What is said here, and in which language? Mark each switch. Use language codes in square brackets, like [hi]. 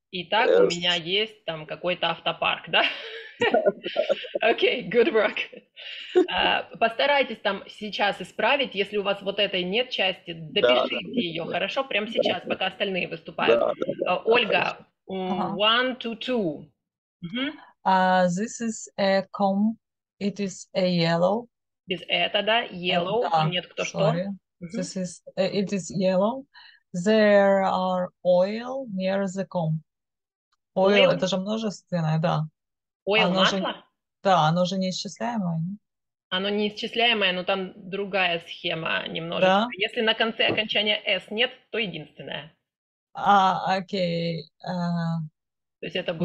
[ru] Итак, у меня есть там какой-то автопарк, да? [en] Окей, good work. [ru] Постарайтесь там сейчас исправить, если у вас вот этой нет части, допишите ее, хорошо? Прямо сейчас, пока остальные выступают. Ольга, 1, 2, 2. [en] This is a comb, it is a yellow. [ru] Без это, да, yellow, нет кто что. [en] It is yellow, there are oil near the comb. [ru] Oil, это же множественное, да. Oil масло? Же, да, оно же неисчисляемое. Оно неисчисляемое, но там другая схема немножко. Да? Если на конце окончания S нет, то единственное. А, окей. То есть это было